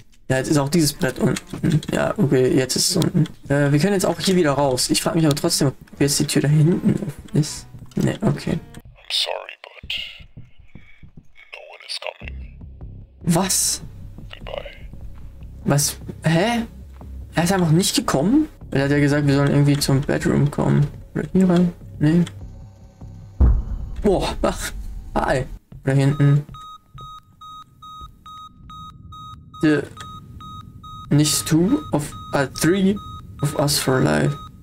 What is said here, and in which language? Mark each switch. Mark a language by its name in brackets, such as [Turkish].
[German] Ja, jetzt ist auch dieses Brett unten. Ja, okay, jetzt ist es unten. Wir können jetzt auch hier wieder raus. Ich frage mich aber trotzdem, ob jetzt die Tür da hinten offen ist. Ne, okay. [English] I'm sorry, but no one is coming. [German] Was? Was? Hä? Er ist einfach nicht gekommen? Er hat ja gesagt, wir sollen irgendwie zum Bedroom kommen. Oder hier rein? Nee. Boah, ach. Hi. Oder hinten. [English] The. [German] Nicht [English] two of. Three of us for life.